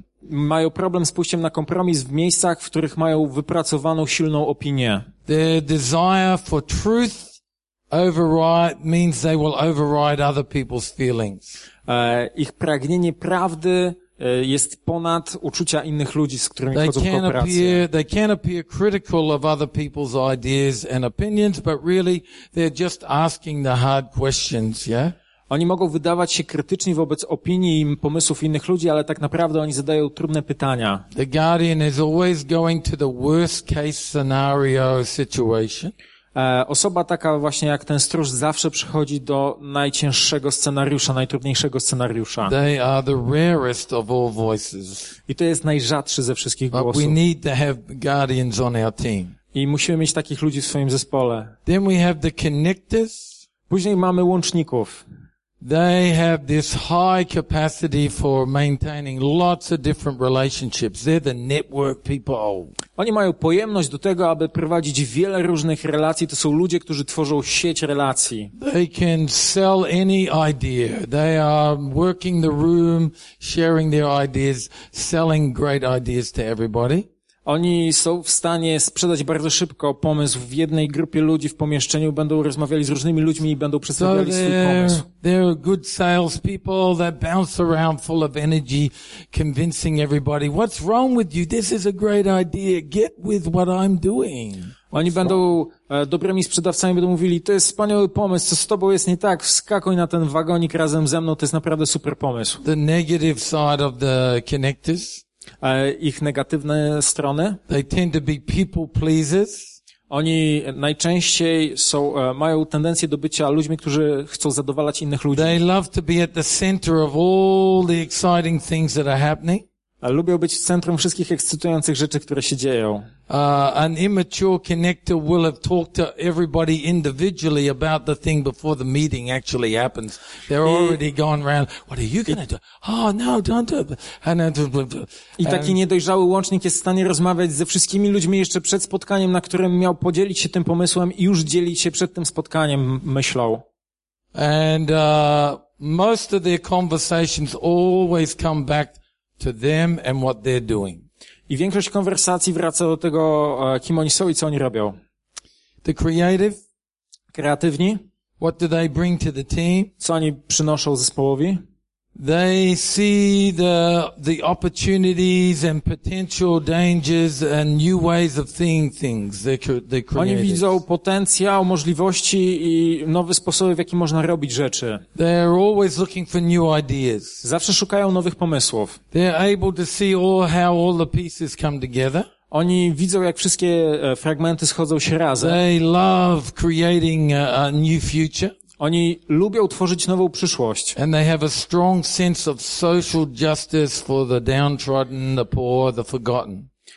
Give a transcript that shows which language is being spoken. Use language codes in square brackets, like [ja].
[pl] Mają problem z pójściem na kompromis w miejscach, w których mają wypracowaną silną opinię. [en] Their desire for truth override means they will override other people's feelings. [pl] Ich pragnienie prawdy jest ponad uczucia innych ludzi, z którymi [en] they [pl] wchodzą w kooperację. [en] They can appear critical of other people's ideas and opinions, but really they're just asking the hard questions, yeah? [pl] Oni mogą wydawać się krytyczni wobec opinii i pomysłów innych ludzi, ale tak naprawdę oni zadają trudne pytania. [en] The guardian is always going to the worst case scenario situation. [pl] Osoba taka właśnie jak ten stróż zawsze przychodzi do najcięższego scenariusza, najtrudniejszego scenariusza. [en] They are the rarest of all voices. [pl] I to jest najrzadszy ze wszystkich głosów. [en] But we need to have guardians on our team. [pl] I musimy mieć takich ludzi w swoim zespole. [en] Then we have the connectors. [pl] Później mamy łączników. [en] They have this high capacity for maintaining lots of different relationships. They're the network people. [pl] Oni mają pojemność do tego, aby prowadzić wiele różnych relacji. To są ludzie, którzy tworzą sieć relacji. [en] They can sell any idea. They are working the room, sharing their ideas, selling great ideas to everybody. [pl] Oni są w stanie sprzedać bardzo szybko pomysł w jednej grupie ludzi w pomieszczeniu, będą rozmawiali z różnymi ludźmi i będą przedstawiali [en] so [pl] swój pomysł. [en] They're good salespeople that bounce around full of energy, convincing everybody. What's wrong with you? This is a great idea. Get with what I'm doing. [pl] Oni będą dobrymi sprzedawcami, będą mówili, to jest wspaniały pomysł, co z tobą jest nie tak, wskakuj na ten wagonik razem ze mną, to jest naprawdę super pomysł. [en] The negative side of the connectors. [pl] Ich negatywne strony. [en] They tend to be people pleasers. [pl] Oni najczęściej są, mają tendencję do bycia ludźmi, którzy chcą zadowalać innych ludzi. [en] They love to be at the center of all the exciting things that are happening. [pl] Lubią być w centrum wszystkich ekscytujących rzeczy, które się dzieją. [en] An immature connector will have talked to everybody individually about the thing before the meeting actually happens. They're already gone round. What are you gonna do? Oh no, don't do it. [pl] I taki niedojrzały łącznik jest w stanie rozmawiać ze wszystkimi ludźmi jeszcze przed spotkaniem, na którym miał podzielić się tym pomysłem i już dzielić się przed tym spotkaniem myślą. [en] And most of their conversations always come back to them and what they're doing. [pl] I większość konwersacji wraca do tego, kim oni są i co oni robią. [en] The creative. [pl] Kreatywni. [en] What do they bring to the team? [pl] Co oni przynoszą zespołowi? [en] They see the opportunities and potential dangers and new ways of seeing things. [pl] Oni widzą potencjał, możliwości i nowe sposoby, w jaki można robić rzeczy. [en] They're always looking for new ideas. [pl] Zawsze szukają nowych pomysłów. [en] They're able to see all how all the pieces come together. [pl] Oni widzą, jak wszystkie fragmenty schodzą się razem. [en] They love creating a new future. [pl] Oni lubią tworzyć nową przyszłość. [en] And they have a strong sense of social justice for the downtrodden, the poor, the forgotten.